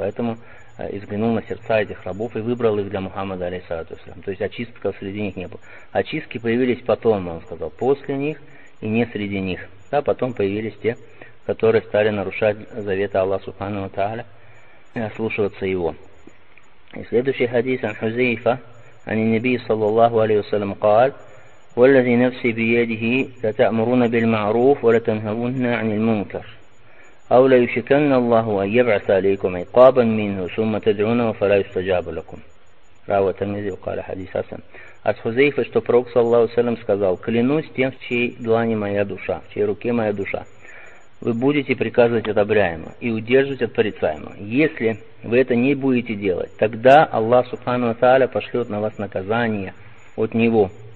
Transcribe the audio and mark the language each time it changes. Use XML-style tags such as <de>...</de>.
<ru>Поэтому изглянул на сердца этих рабов и выбрал их для Мухаммада, алейхиссалату вассалям. То есть очистков среди них не было. Очистки появились потом, он сказал, после них и не среди них. Да, потом появились те, которые стали нарушать заветы Аллаха Субхану ва Тааля и ослушиваться его. И следующий хадис ан Хузейфа, ан Наби саллаллаху алейхи ва саллям</ru> <ar>قال: والذي نفسي بيده لتأمرون بالمعروف ولتنهون عن المنكر أو ليشكن الله أن يبعث عليكم عقابا منه ثم تدعونه فلا يستجاب لكم. روى الترمذي وقال حديث حسن.</ar> <ru>От Хузейфа, что пророк саллаллаху алейхи ва саллям сказал: клянусь тем, в чьей длани моя душа, в чьей руке моя душа, вы будете приказывать одобряемое и удерживать от порицаемого. Если вы это не будете делать, тогда Аллах Субхану ва Тааля пошлет на вас наказание от Него.</ru>